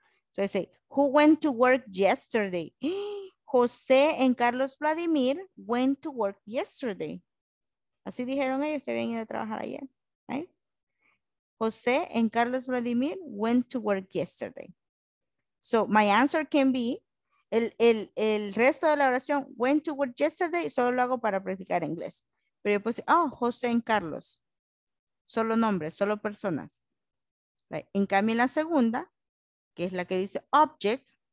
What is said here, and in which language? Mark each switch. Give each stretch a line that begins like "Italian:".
English: So I say, who went to work yesterday? José and Carlos Vladimir went to work yesterday.
Spanish: Así dijeron ellos que habían ido a trabajar ayer.
English: Right? José and Carlos Vladimir went to work yesterday. So my answer can be,
Spanish: el resto de la oración,
English: went to work yesterday,
Spanish: solo lo hago para practicar inglés. Pero yo puse, oh, José y Carlos. Solo nombres, solo personas. Right. En cambio, en la segunda, que es la que dice object,